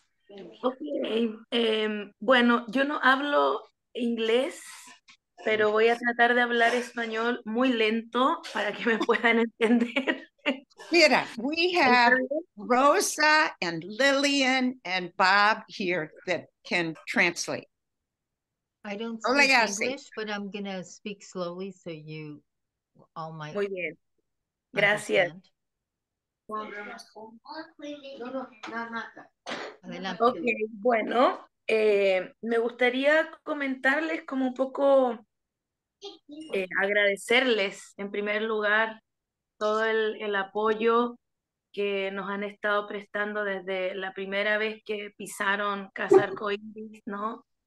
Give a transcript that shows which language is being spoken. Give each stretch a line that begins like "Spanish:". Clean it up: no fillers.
Spanish: Okay, bueno, yo no hablo inglés, pero voy a tratar de hablar español muy lento para que me puedan entender.
English: Mira, we have Rosa and Lillian and Bob here that can translate. I don't speak Hola, English, así. But I'm going to speak slowly so you all might.
Spanish: Muy bien. Gracias. Ok, bueno, me gustaría comentarles como un poco, agradecerles en primer lugar todo el apoyo que nos han estado prestando desde la primera vez que pisaron Casa Arcoiris, ¿no?